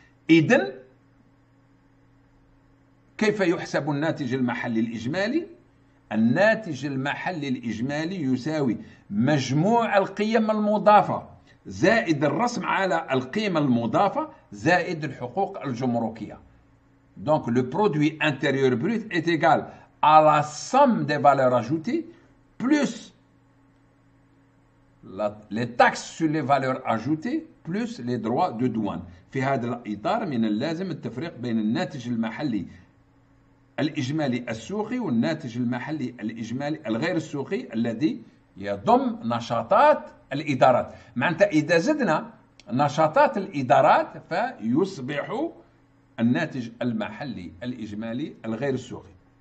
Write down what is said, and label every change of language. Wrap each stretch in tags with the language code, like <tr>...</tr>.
<ar>إذن كيف يحسب الناتج المحلي الإجمالي؟ الناتج المحلي الإجمالي يساوي مجموع القيم المضافة زائد الرسم على القيمة المضافة زائد الحقوق الجمركية.</ar> <fr>Donc le produit intérieur brut est égal à la somme des valeurs ajoutées plus les taxes sur les valeurs ajoutées plus les droits de douane.</fr> <ar>في هذا الإطار من اللازم التفريق بين الناتج المحلي الإجمالي السوقي والناتج المحلي الإجمالي الغير السوقي الذي يضم نشاطات الإدارات. معناتها إذا زدنا نشاطات الإدارات فيصبح الناتج المحلي الإجمالي الغير السوقي.</ar>